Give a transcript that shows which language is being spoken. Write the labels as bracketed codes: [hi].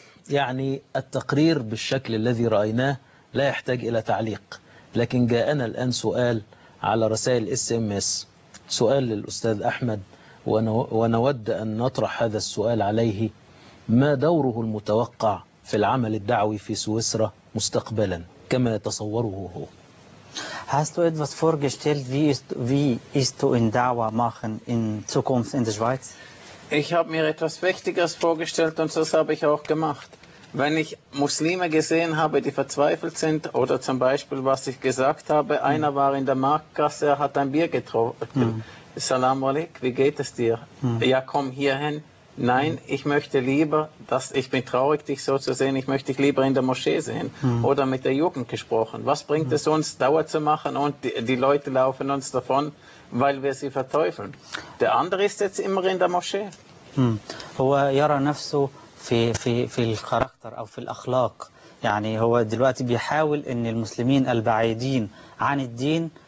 [ar] يعني التقرير بالشكل الذي رأيناه لا يحتاج إلى تعليق، لكن جاءنا الآن سؤال على رسائل SMS، سؤال للأستاذ أحمد، ونود أن نطرح هذا السؤال عليه: ما دوره المتوقع في العمل الدعوي في سويسرا مستقبلا كما يتصوره هو؟ [de] Hast du etwas vorgestellt, wie ist du in Dawa machen in Zukunft in der Schweiz? Ich habe mir etwas Wichtiges vorgestellt und das habe ich auch gemacht. Wenn ich Muslime gesehen habe, die verzweifelt sind oder zum Beispiel, was ich gesagt habe, einer war in der Marktgasse, er hat ein Bier getrunken. Salam alaik, wie geht es dir? Ja, komm hierhin. Nein, ich möchte lieber, dass ich bin traurig, dich so zu sehen, ich möchte dich lieber in der Moschee sehen oder mit der Jugend gesprochen. Was bringt es uns, Dauer zu machen und die Leute laufen uns davon, weil wir sie verteufeln? Der andere ist jetzt immer in der Moschee. [ar] هو يرى نفسه في في في الكاركتر او في الاخلاق. يعني هو دلوقتي بيحاول ان المسلمين البعيدين عن الدين